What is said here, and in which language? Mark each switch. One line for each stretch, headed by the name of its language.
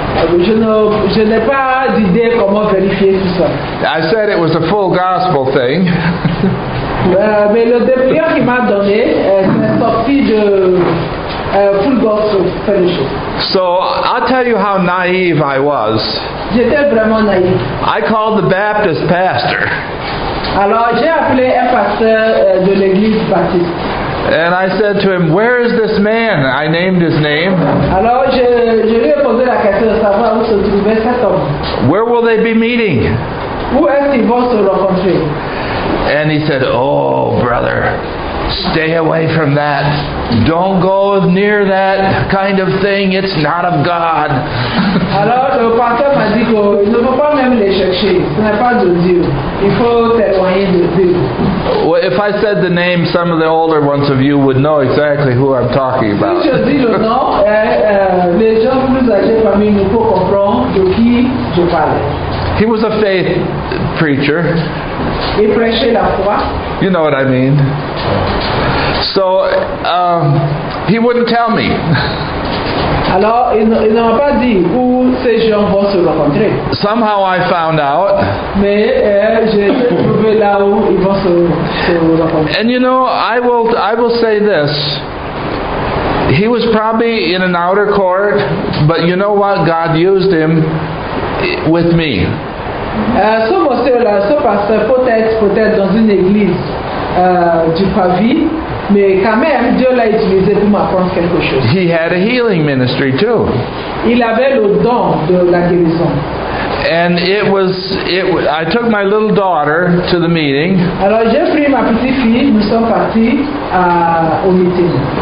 French: Je n'ai pas d'idée comment vérifier tout ça.
English: I said it was a full gospel thing.
French: Mais le dépliant qui m'a donné, c'est sorti de full gospel fellowship.
English: So I'll tell you how naive I was.
French: J'étais vraiment naïf.
English: I called the Baptist pastor.
French: Alors j'ai appelé un pasteur de l'église baptiste.
English: And I said to him, "Where is this man?" I named his name.
French: Alors, je lui ai posé la question de savoir où se trouvait cet homme.
English: Where will they be meeting?
French: Où est-ce qu'ils vont se rencontrer?
English: And he said, "Oh, brother." Stay away from that. Don't go near that kind of thing. It's not of God.
French: Alors le pasteur m'a dit que il ne faut pas même les chercher. Ce n'est pas de Dieu. Il faut s'éloigner de Dieu.
English: Well, if I said the name, some of the older ones of you would know exactly who I'm talking about.
French: Si je dis le nom, les gens plus âgés parmi nous peuvent comprendre de qui je parle.
English: He was a faith preacher.
French: Il prêchait la foi.
English: You know what I mean. So, he wouldn't tell me.
French: Alors, il ne m'a pas dit où ces gens vont se rencontrer.
English: Somehow I found out.
French: Mais j'ai trouvé là où ils vont se rencontrer.
English: And you know, I will say this. He was probably in an outer court, but you know what? God used him with me.
French: Ce monsieur-là, ce pasteur, peut-être dans une église du pavis, mais quand même, Dieu l'a utilisé pour m'apprendre quelque chose.
English: He had a healing ministry too.
French: Il avait le don de la guérison.
English: And I took my little daughter to the meeting.
French: Alors j'ai pris ma petite fille, nous sommes partis au meeting.